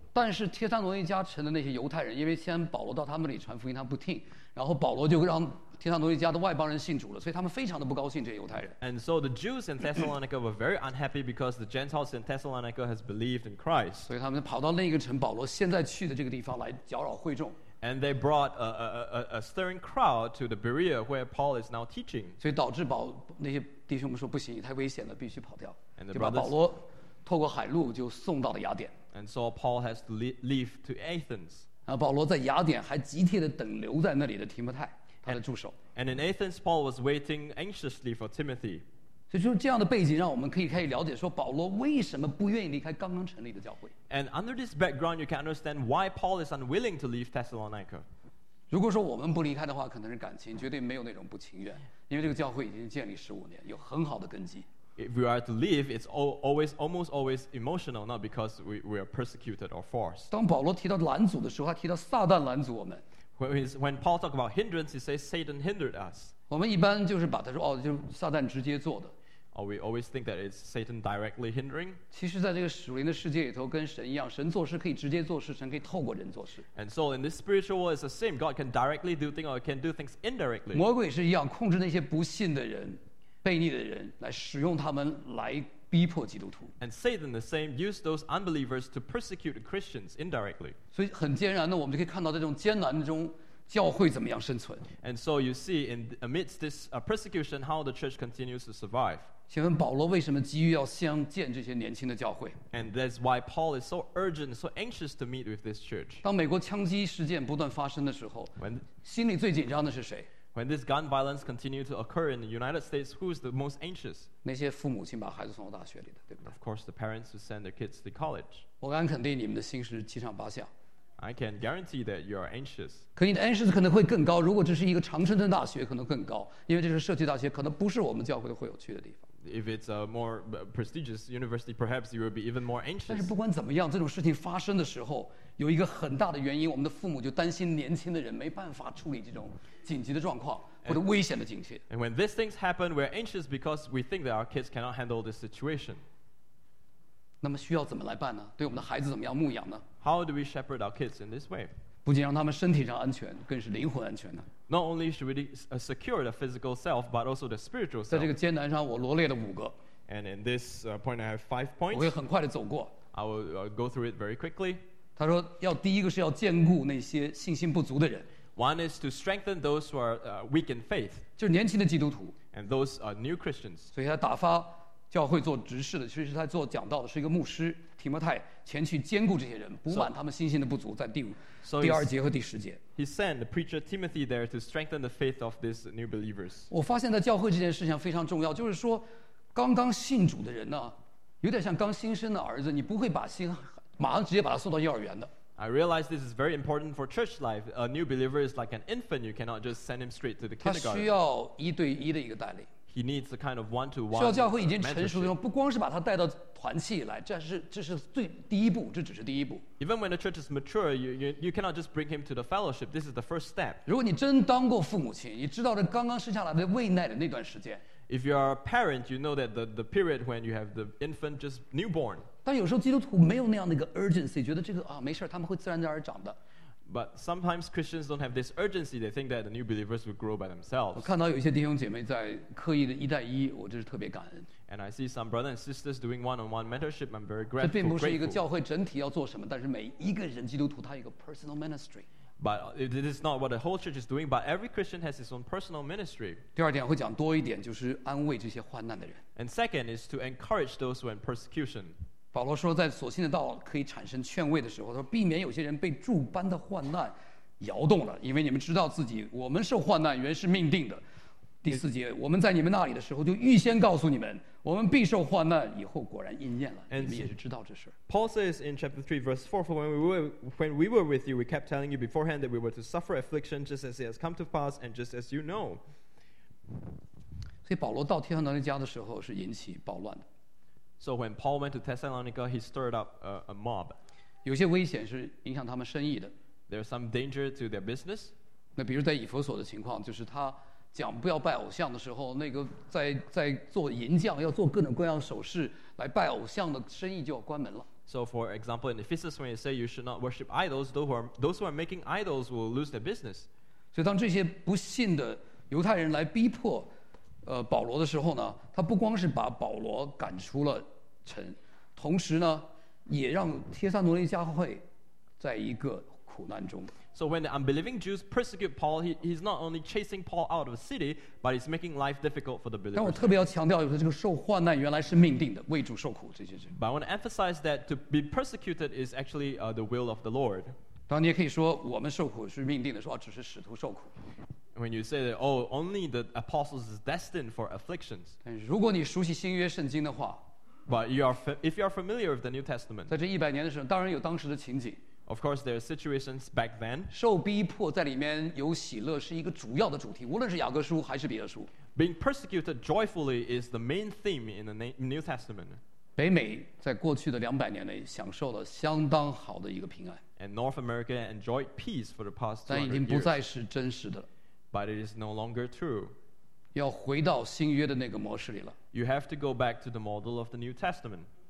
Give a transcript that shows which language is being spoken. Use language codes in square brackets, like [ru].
[zh] 但是帖撒罗尼迦城的那些犹太人，因为先保罗到他们那里传福音，他不听，然后保罗就让帖撒罗尼迦的外邦人信主了，所以他们非常的不高兴，这些犹太人。 [en] And so the Jews in Thessalonica were very unhappy because the Gentiles in Thessalonica has believed in Christ. [zh] 所以他们跑到另一个城，保罗现在去的这个地方来搅扰会众。 [en] And they brought a stirring crowd to the Berea where Paul is now teaching. [zh] 所以导致保那些弟兄们说不行，太危险了，必须跑掉。就把保罗透过海路就送到了雅典。 [en] And so Paul has to leave to Athens. [zh] 然后保罗在雅典还急切的等留在那里的提摩太。 [en] And in Athens, Paul was waiting anxiously for Timothy. [zh] 所以就是这样的背景，让我们可以开始了解说保罗为什么不愿意离开刚刚成立的教会。 [en] And under this background, you can understand why Paul is unwilling to leave Thessalonica. [zh] 如果说我们不离开的话，可能是感情绝对没有那种不情愿，因为这个教会已经建立十五年，有很好的根基。 [en] If we are to leave, it's always almost always emotional, not because we are persecuted or forced. [zh] 当保罗提到拦阻的时候，他提到撒旦拦阻我们。 [en] When Paul talks about hindrance, he says Satan hindered us. [zh] 我们一般就是把他说哦，就是撒旦直接做的。 [en] Or we always think that it's Satan directly hindering. [zh] 其实，在这个属灵的世界里头，跟神一样，神做事可以直接做事，神可以透过人做事。 [en] And so in this spiritual world, it's the same. God can directly do things, or can do things indirectly. [zh] 魔鬼是一样，控制那些不信的人、悖逆的人，来使用他们来逼迫基督徒。 [en] And Satan the same used those unbelievers to persecute Christians indirectly. [zh] 所以很艰难的，我们就可以看到这种艰难中教会怎么样生存。 [en] And so you see in amidst this persecution how the church continues to survive. [zh] 请问保罗为什么急于要相见这些年轻的教会？ [en] And that's why Paul is so urgent, so anxious to meet with this church. [zh] 当美国枪击事件不断发生的时候，心里最紧张的是谁？ [en] When this gun violence continues to occur in the United States, who is the most anxious? [zh] 那些父母亲把孩子送到大学里的，对不对？ [en] Of course, the parents who send their kids to college. [zh] 我敢肯定你们的心是七上八下。 [en] I can guarantee that you are anxious. [zh] 可你的 anxious 可能会更高，如果这是一个常春藤大学，可能更高，因为这是社区大学，可能不是我们教会会有去的地方。 [en] If it's a more prestigious university, perhaps you will be even more anxious. [zh] 但是不管怎么样，这种事情发生的时候，有一个很大的原因，我们的父母就担心年轻的人没办法处理这种紧急的状况或者危险的境界。 [en] And when these things happen, we're anxious because we think that our kids cannot handle this situation. [zh] 那么需要怎么来办呢？对我们的孩子怎么样牧养呢？ [en] How do we shepherd our kids in this way? [zh] 不仅让他们身体上安全，更是灵魂安全呢。 [en] Not only should we secure the physical self, but also the spiritual self. [zh] 在这个艰难上，我罗列了五个。 [en] And in this point, I have 5 points. [zh] 我会很快地走过。 [en] I will go through it very quickly. [zh] 他说，要第一个是要坚固那些信心不足的人。 [en] One is to strengthen those who are weak in faith. [zh] 就是年轻的基督徒。 [en] And those are new Christians. [zh] 所以他打发教会做执事的，其实他做讲道的是一个牧师提摩太，前去兼顾这些人，补满他们信心的不足，在第二节和第十节。 [en] He sent the preacher Timothy there to strengthen the faith of these new believers. [zh] 我发现在教会这件事情非常重要，就是说刚刚信主的人呢，有点像刚新生的儿子，你不会把心马上直接把他送到幼儿园的。 [en] I realize this is very important for church life. A new believer is like an infant. You cannot just send him straight to the kindergarten. [zh] 他需要一对一的一个带领。 [en] He needs a kind of one-to-one. [zh] 需要教会已经成熟的时候，不光是把他带到团契来，这是最第一步，这只是第一步。 [en] Even when the church is mature, you cannot just bring him to the fellowship. This is the first step. [zh] 如果你真当过父母亲，你知道这刚刚生下来的喂奶的那段时间。 [en] If you are a parent, you know that the period when you have the infant just newborn. [zh] 但有时候基督徒没有那样的一个 urgency， 觉得这个啊没事，他们会自然而然长的。 [en] But sometimes Christians don't have this urgency. They think that the new believers will grow by themselves. [zh] 我看到有些弟兄姐妹在刻意的一带一，我真是特别感恩。 [en] And I see some brothers and sisters doing one-on-one mentorship. I'm very grateful. [zh] 这并不是一个教会整体要做什么，但是每一个人基督徒他一个 [en] personal ministry。 But it is not what the whole church is doing. But every Christian has his own personal ministry. [zh] 第二点会讲多一点，就是安慰这些患难的人。 [en] And second is to encourage those who are in persecution. [zh] 保罗说在所信的道可以产生劝慰的时候他说避免有些人被诸般的患难摇动了因为你们知道自己我们受患难原是命定的第四节我们在你们那里的时候就预先告诉你们我们必受患难以后果然应验了你们也是知道这事 [en] Paul says in chapter 3 verse 4 for when we were with you we kept telling you beforehand that we were to suffer affliction just as it has come to pass and just as you know [zh] 所以保罗到帖撒罗尼迦的时候是引起暴乱的 [en] So when Paul went to Thessalonica, he stirred up a mob. [zh] 有些危险是影响他们生意的。 [en] There's some danger to their business. [zh] 那比如在以弗所的情况，就是他讲不要拜偶像的时候，那个在做银匠要做各种各样手势来拜偶像的生意就要关门了。 [en] So for example, in Ephesus, when you say you should not worship idols, those who are making idols will lose their business. [zh] 所以当这些不信的犹太人来逼迫。保罗的时候呢他不光是把保罗赶出了城同时呢也让帖撒罗尼迦会在一个苦难中 [en] So when the unbelieving Jews persecute Paul he's not only chasing Paul out of the city but he's making life difficult for the believers [zh] 但我特别要强调这个受患难原来是命定的为主受苦这些事 [en] But I want to emphasize that to be persecuted is actually the will of the Lord [zh] 当然你也可以说我们受苦是命定的说只是使徒受苦 [en] When you say that, oh, only the apostles is destined for afflictions. [zh] 如果你熟悉新约圣经的话 [en] But if you are familiar with the New Testament, [zh] 在这一百年的时候，当然有当时的情景。 [en] Of course, there are situations back then. [zh] 受逼迫在里面有喜乐是一个主要的主题，无论是雅各书还是彼得书。 [en] Being persecuted joyfully is the main theme in the New Testament. [zh] 北美在过去的两百年内享受了相当好的一个平安。 [en] And North America enjoyed peace for the past 200 years. [zh] 但已经不再是真实的。 [en] But it is no longer true. [zh] 要回到新约的那个模式里了。 [en] You have to go back to the model of the New Testament.